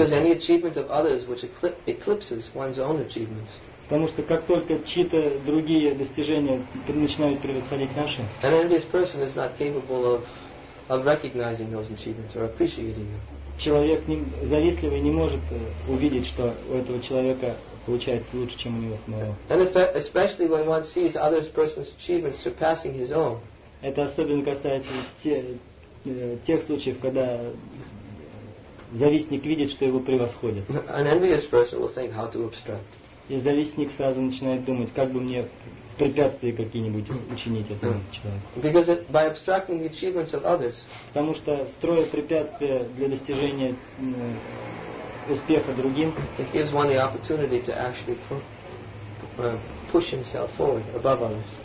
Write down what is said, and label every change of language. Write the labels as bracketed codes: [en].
[en] Because any achievement of others which eclipses one's own achievements. [ru] Потому что как только чьи-то другие достижения начинают превосходить наши. [en] An envious person is not capable of recognizing those achievements or appreciating them. [ru] Человек завистливый не может увидеть, что у этого человека получается лучше, чем у него самого. [en] And especially when one sees other person's achievements surpassing his own. [ru] Это особенно касается тех случаев, когда завистник видит, что его превосходят. [en] An envious person will think how to obstruct. [ru] И завистник сразу начинает думать, как бы мне препятствия какие-нибудь учинить этому человеку. [en] Because by obstructing the achievements of others. [ru] Потому что строя препятствия для достижения успеха другим. [en] It gives one the opportunity to actually push himself forward above others.